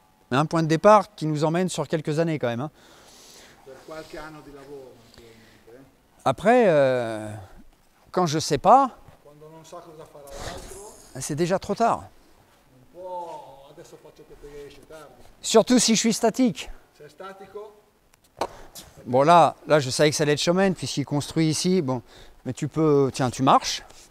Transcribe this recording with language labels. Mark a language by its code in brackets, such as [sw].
[fr] Mais un point de départ qui nous emmène sur quelques années quand même. Hein. [it] Per qualche anno di lavoro, ovviamente. [fr] Après, quand je sais pas, [it] quando non sa cosa farà l'altro, [fr] c'est déjà trop tard. [it] Un po', adesso faccio che tardi. [fr] Surtout si je suis statique. [it] Se è statico. [fr] Bon là, je savais que ça allait être Shomen puisqu'il construit ici. Bon, mais tu peux, tiens, tu marches.